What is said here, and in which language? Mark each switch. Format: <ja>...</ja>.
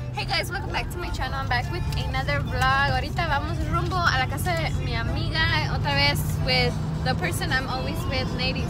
<en>Hey guys, welcome back to my channel. I'm back with another vlog.</en> <es>Ahorita vamos rumbo a la casa de mi amiga. Otra vez</es> <en>with the person I'm always with, Lady.</en>